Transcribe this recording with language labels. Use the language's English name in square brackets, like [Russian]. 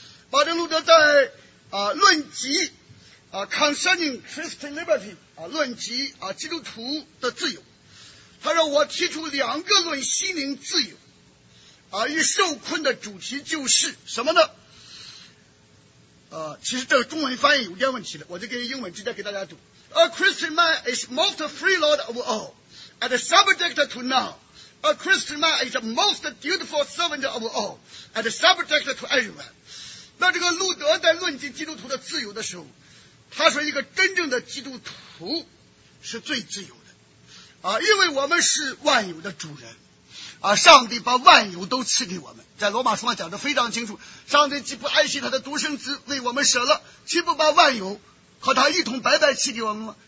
[Chinese] 马丁路德在论及 [English] concerning Christian Liberty [Chinese] 论及基督徒的自由，他说我提出两个论心灵自由与受困的主题，就是什么呢其实这个中文翻译有点问题的，我就给英文直接给大家读。 [English] A Christian man is most free lord of all, and subject to none. A Christian man is most dutiful servant of all, and subject to everyone. [Chinese] 那这个路德在论及基督徒的自由的时候，他说一个真正的基督徒是最自由的因为我们是万有的主人上帝把万有都赐给我们，在罗马书上讲得非常清楚，上帝既不爱惜他的独生子为我们舍了，岂不把万有和他一同白白赐给我们吗？